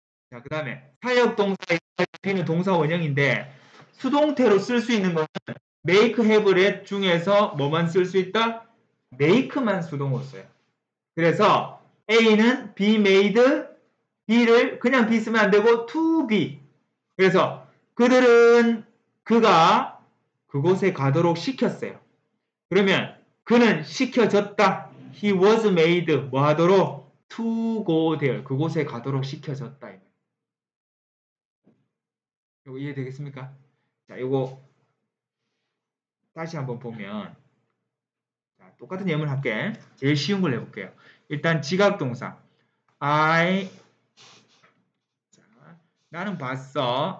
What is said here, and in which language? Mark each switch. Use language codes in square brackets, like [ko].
[ko] 자, 그 다음에 사역동사의 B는 동사원형인데 수동태로 쓸 수 있는 것은 make, have, let 중에서 뭐만 쓸 수 있다? make만 수동으로 써요. 그래서 A는 be made, B를 그냥 be 쓰면 안 되고 to be. 그래서 그들은 그가 그곳에 가도록 시켰어요. 그러면 그는 시켜졌다. [en] He was made [ko] 뭐 하도록? [en] to go there. [ko] 그곳에 가도록 시켜졌다. 이거 이해되겠습니까? 자, 이거 다시 한번 보면 자, 똑같은 예문 할게. 제일 쉬운 걸 해볼게요. 일단 지각동사 I 자, 나는 봤어.